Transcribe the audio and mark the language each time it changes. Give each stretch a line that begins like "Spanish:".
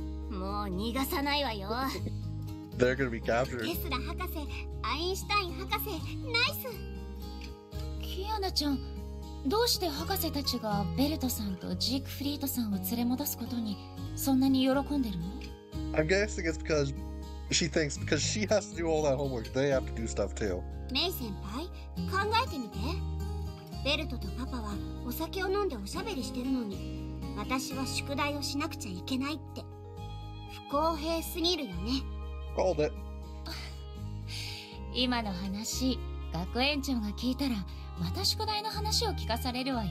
Japanese: もう逃がさないわよ。
English: They're gonna be captured.
Japanese: テスラ博士、アインシュタイン博士、ナイス。キアナちゃん、どうして博士たちがベルトさんとジークフリートさんを連れ戻すことにそんなに喜んでるの？
English: I'm guessing it's because she thinks because she has to do all that homework, they have to do stuff too.
Japanese: メイ先輩、考えてみて。ベルトとパパはお酒を飲んでおしゃべりしてるのに、私は宿題をしなくちゃいけないって不公平すぎるよね。
English: Called it.
Japanese: 今の話、学園長が聞いたらまた宿題の話を聞かされるわよ。